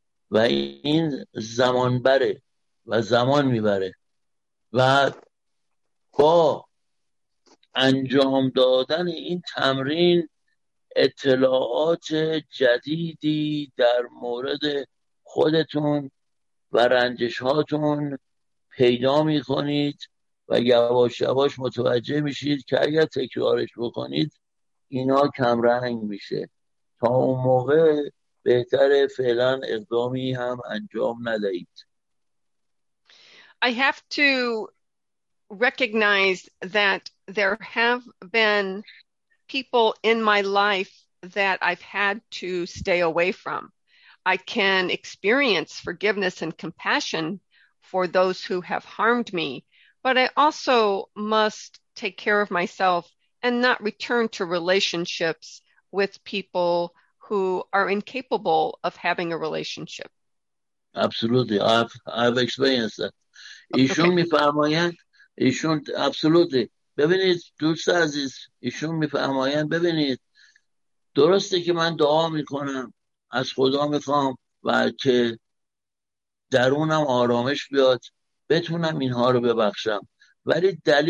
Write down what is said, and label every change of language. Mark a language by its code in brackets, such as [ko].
[fa] و این زمان بره و زمان میبره و با انجام دادن این تمرین اطلاعات جدیدی در مورد خودتون و رنجشهاتون پیدا می کنید و یواش یواش متوجه می شید که اگر تکرارش بکنید اینا کمرنگ می شه. تا اون موقع بهتره فعلا اقدامی هم انجام ندهید. [en] I have to recognize that there have been people in my life that I've had to stay away from. I can experience forgiveness and compassion for those who have harmed me, but I also must take care of myself and not return to relationships with people who are incapable of having a relationship. Absolutely. I've experienced that. [fa] ایشون میفرمایند ایشون absolutely ببینید دوست عزیز ایشون میفرمایند ببینید درسته که من دعا میکنم از خدا میخوام و که درونم آرامش بیاد بتونم اینها رو ببخشم ولی